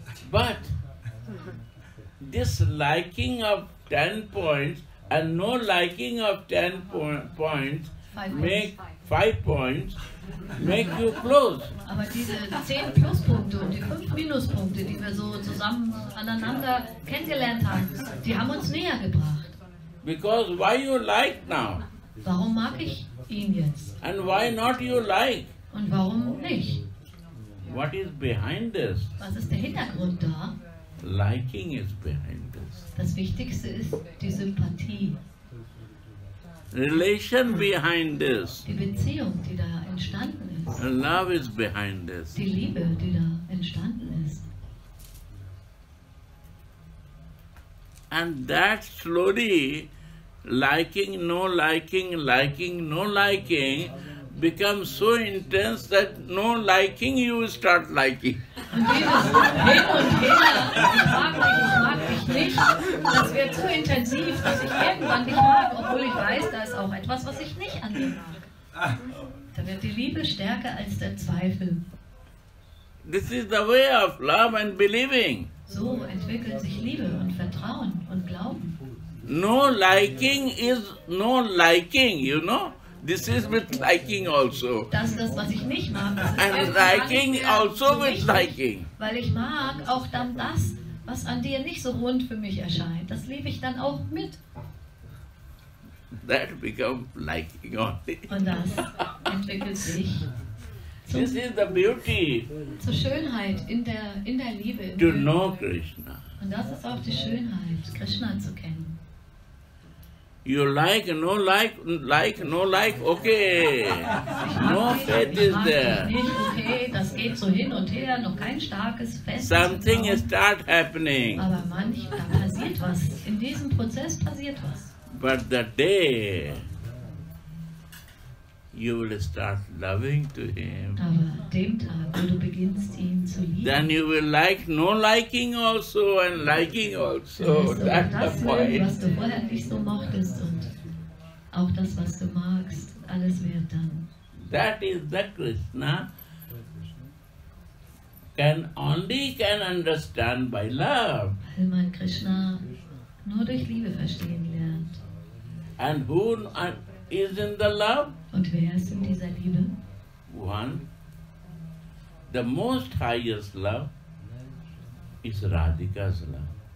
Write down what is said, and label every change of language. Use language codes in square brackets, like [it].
[en] But this liking of 10 points and no liking of 10 points make 5 points make you close. [de] Aber diese 10 Pluspunkte und die 5 Minuspunkte, die wir so zusammen aneinander kennengelernt haben, die haben uns näher gebracht. [en] Because why you like now? [de] Warum mag ich ihn jetzt? [en] And why not you like? [de] Und warum nicht? [en] What is behind this? [de] Was ist der Hintergrund da? [en] Liking is behind this. [de] Das Wichtigste ist die Sympathie. [en] Relation behind this. [de] Die Beziehung, die da entstanden ist. [en] And love is behind this. [de] Die Liebe, die da entstanden ist. [en] And that slowly, liking, no liking, liking, no liking, become so intense that no liking you start liking. [de] Und dieses Hin und Her, ich mag mich nicht, das wird so intensiv, dass ich irgendwann nicht mag, obwohl ich weiß, da ist auch etwas, was ich nicht an dir mag. Da wird die Liebe stärker als der Zweifel. [en] This is the way of love and believing. [de] So entwickelt sich Liebe und Vertrauen und Glauben. [en] No liking is no liking, you know? This is with liking also. [de] Das ist das, was ich nicht mag. [en] And liking also with liking. [de] Weil ich mag auch dann das, was an dir nicht so rund für mich erscheint. Das liebe ich dann auch mit. [en] That becomes liking only. [de] Und das entwickelt sich. [en] This is the beauty. [de] Zur Schönheit in der Liebe. [en] To know Krishna. [de] Und das ist auch die Schönheit, Krishna zu kennen. [en] You like, no like, like, no like, okay. No faith is there. [de] Nicht, okay, das geht so hin und her, noch kein starkes Fest. [en] Something is start happening. [de] Aber manchmal passiert was. In diesem Prozess passiert was. [en] But the day you will start loving to him. [de] Aber dem Tag, wo du beginnst, ihn zu lieben. [en] Then you will like no liking also and liking also. That's [de] das [en] the point. [de] Will, was du vorher nicht so mochtest und auch das, was du magst, alles wird dann. [en] That is the Krishna can only can understand by love. [de] Weil man Krishna nur durch Liebe verstehen lernt. [en] And who is in the love? [de] Und wer ist in dieser Liebe? [en] One, the most highest love is Radhika's love.